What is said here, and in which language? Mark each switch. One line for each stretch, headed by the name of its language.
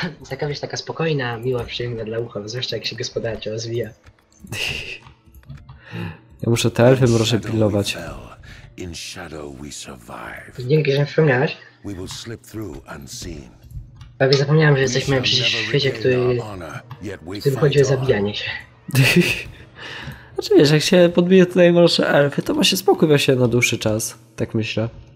Polish: Taka wiesz, taka spokojna, miła, przyjemna dla ucha, zwłaszcza jak się gospodarczo rozwija. Ja muszę te elfy mroże pilować.
English: In shadow we survive.
Polish: Dzięki, że przypomniałeś.
English: We will slip through unseen.
Polish: Prawie zapomniałem, że jesteśmy przecież w świecie, który chodzi o zabijanie się. Znaczy wiesz, jak się podbije tutaj mroże elfy, to właśnie spokój się na dłuższy czas, tak myślę.